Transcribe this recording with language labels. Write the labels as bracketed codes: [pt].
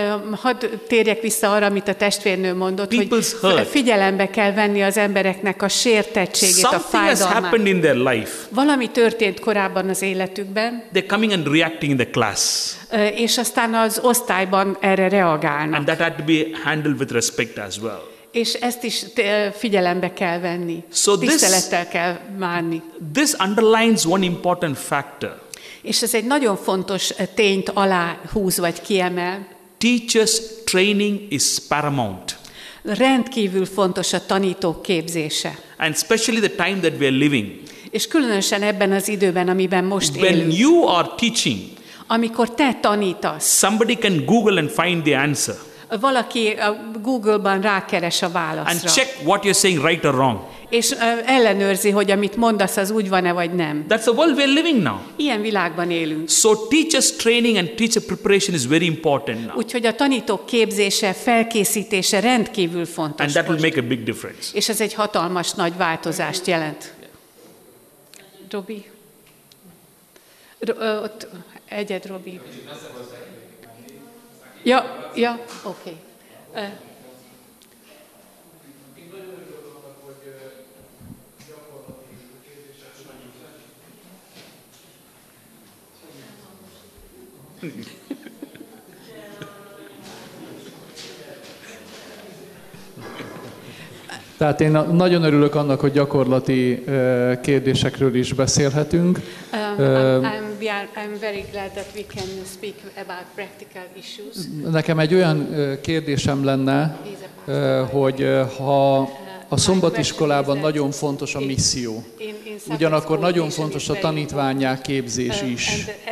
[hu] Hadd térjek vissza arra, amit a testvérnő mondott, [en] people's [hu] hogy [en] hurt. [hu] Figyelembe kell venni az embereknek a sértettségét, [en] something [hu] a fájdalmát. [en] Has happened in their life. [hu] Valami történt korábban az életükben. [en] They're coming and reacting in the class. [hu] És aztán az osztályban erre reagálnak. [en] And that had to be handled with respect as well. [hu] És ezt is figyelembe kell venni. So tisztelettel kell bánni. [en] This underlines one important factor. [hu] És ez egy nagyon fontos tényt alá húz vagy kiemel. [en] Teachers training is paramount. [hu] Rendkívül fontos a tanítók képzése. [en] And especially the time that we are living. [hu] És különösen ebben az időben, amiben most [en] when [hu] élünk. [en] When you are teaching. [hu] Amikor te tanítasz. [en] Somebody can Google and find the answer. [hu] Valaki a Google-ban rákeres a válaszra. [en] And check what you're saying right or wrong. [hu] És ellenőrzi, hogy amit mondasz, az úgy van-e vagy nem. [en] That's the world we're living now. [hu] Ilyen világban élünk. [en] So teachers training and teacher preparation is very important now. [hu] Úgyhogy a tanítók képzése, felkészítése rendkívül fontos. [en] And that will make a big difference. [hu] És ez egy hatalmas nagy változást jelent. Robi? Ott egyed, Robi. Ja, oké. Tehát én nagyon örülök annak, hogy gyakorlati kérdésekről is beszélhetünk. [en] I'm very glad that we can speak about practical issues. [hu] Nekem egy olyan kérdésem lenne, hogy ha a szombatiskolában nagyon fontos a misszió, ugyanakkor nagyon fontos a tanítványá képzés is.